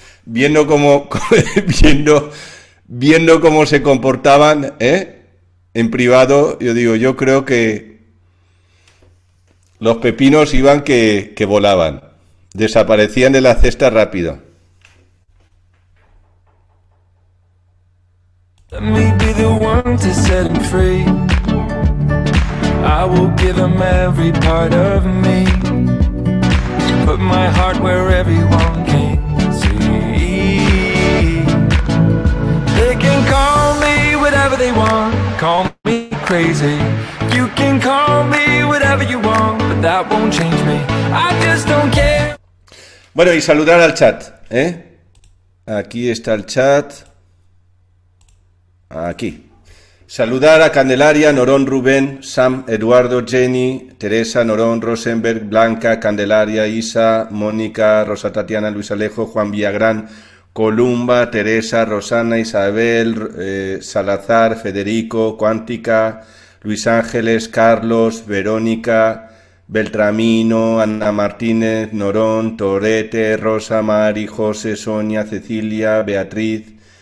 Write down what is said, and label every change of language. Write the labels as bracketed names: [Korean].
[Spanish] Viendo cómo se comportaban, en privado, yo digo, yo creo que los pepinos iban que volaban, desaparecían de la cesta rápido. [English] Let me be the one to set him free. I will give him every part of me. Put my heart where everyone can see. They can call me whatever they want, call me crazy. You can call me whatever you want, but that won't change me. I just don't care. [Spanish] Bueno, y saludar al chat, ¿eh? Aquí está el chat. aquí. Saludar a Candelaria, Norón, Rubén, Sam, Eduardo, Jenny, Teresa, Norón, Rosenberg, Blanca, Candelaria, Isa, Mónica, Rosa Tatiana, Luis Alejo, Juan Villagrán, Columba, Teresa, Rosana, Isabel, Salazar, Federico, Cuántica, Luis Ángeles, Carlos, Verónica, Beltramino, Ana Martínez, Norón, Torete, Rosa, Mari, José, Sonia, Cecilia, Beatriz,